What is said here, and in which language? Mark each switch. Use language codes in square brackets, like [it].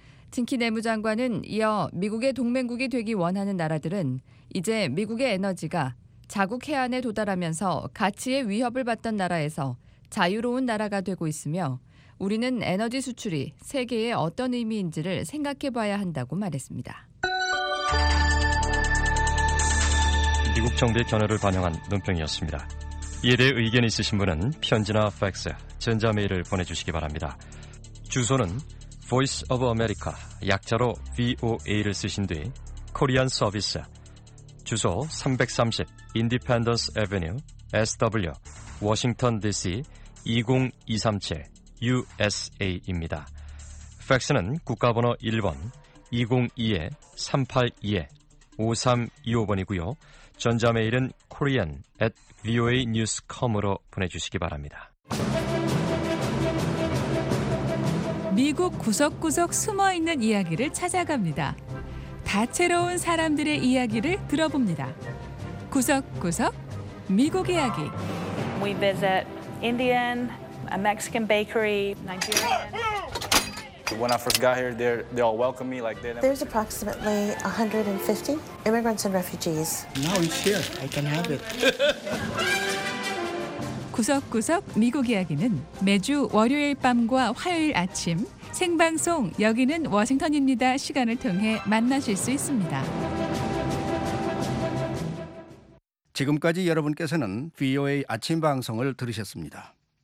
[ko] 징키 내무장관은 이어 미국의 동맹국이 되기 원하는 나라들은 이제 미국의 에너지가 자국 해안에 도달하면서 가치의 위협을 받던 나라에서 자유로운 나라가 되고 있으며 우리는 에너지 수출이 세계에 어떤 의미인지를 생각해 봐야 한다고 말했습니다. 미국 정부의 견해를 반영한 논평이었습니다. 이에 대해 의견 있으신 분은 편지나 팩스, 전자메일을 보내주시기 바랍니다. 주소는 Voice of America, 약자로 VOA를 쓰신 뒤 Korean Service, 주소 330 Independence Avenue, SW, Washington DC 20237, USA입니다. 팩스는 국가번호 1번 202-382-5325번이고요. 전자메일은 korean@voanews.com으로 보내주시기 바랍니다. 미국 구석구석 숨어있는 이야기를 찾아갑니다. 다채로운 사람들의 이야기를 들어봅니다. 구석구석 미국 이야기. [en] We visit Indian, a Mexican bakery, Nigerian. When I first got here, they all welcomed me like that. There's approximately 150 immigrants and refugees. No, it's here. I can have it. [ko] 구석구석 미국 이야기는 매주 월요일 밤과 화요일 아침 생방송 여기는 워싱턴입니다 시간을 통해 만나실 수 있습니다. 지금까지 여러분께서는 VOA 아침 방송을 들으셨습니다.